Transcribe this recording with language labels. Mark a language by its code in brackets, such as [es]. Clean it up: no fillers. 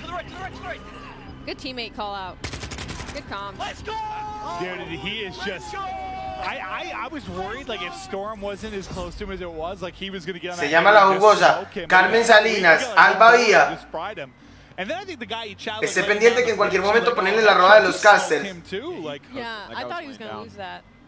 [en] To the right. Good teammate call out. Good comms. Let's go! Dude, he is just... I was worried, like, if Storm wasn't as close to him as it was, like, he was gonna get on [es] Se that... Se llama La Jugosa, Carmen Salinas, Alba Villa. [en] And then I think the guy challenged... [es] Esté pendiente que en cualquier momento ponerle la rueda de los casters. [en] Yeah, I thought he was gonna lose that.